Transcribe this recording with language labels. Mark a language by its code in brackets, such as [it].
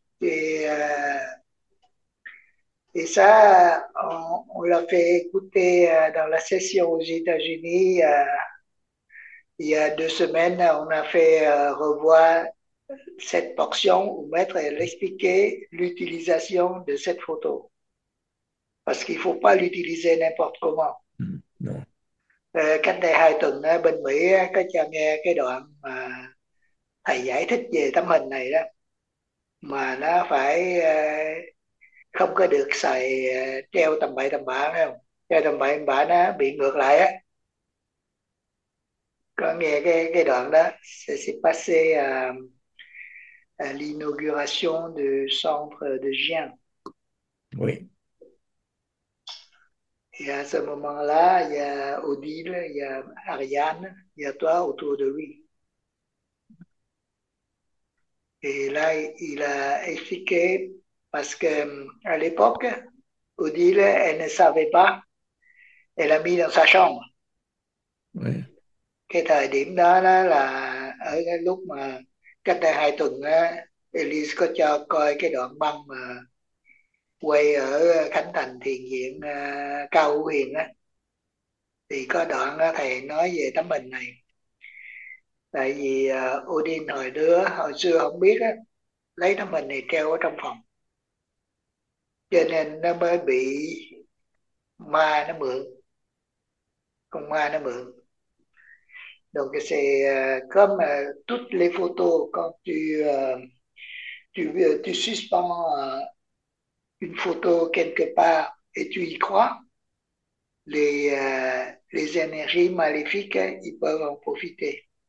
[fr] Et ça, on l'a fait écouter dans la session aux États-Unis. Il y a 2 semaines, on a fait revoir cette portion où maître expliquait l'utilisation de cette photo. Parce qu'il ne faut pas l'utiliser n'importe comment. Non. [vi] Cách đây 2 tuần, bên Mỹ có cho nghe cái đoạn mà thầy giải thích về tấm hình này đó. Mà nó phải không có được xài treo tầm bậy tầm bạ, phải không? Treo tầm bậy tầm bạ nó bị ngược lại á. Có nghe cái đoạn đó. [fr] Ça s'est passé à l'inauguration du centre de Gien. Oui. Et à ce moment-là, il y a Odile, il y a Ariane, il y a toi autour de lui. Et là, il a expliqué, parce que à l'époque, Odile, elle ne savait pas, elle l'a mis dans sa chambre. Oui. [vi] Cái thời điểm đó, đó là ở cái lúc mà cách đây 2 tuần á, Elise có cho coi cái đoạn băng mà quay ở Khánh Thành thiền viện Cao Hữu Huyền á, thì có đoạn đó thầy nói về tấm hình này. Tại vì Odin hồi xưa không biết á, lấy tấm hình này treo ở trong phòng, cho nên nó mới bị ma nó mượn, con ma nó mượn. [fr] Donc c'est comme toutes les photos, quand tu suspends une photo quelque part et tu y crois, les énergies maléfiques, ils peuvent en profiter.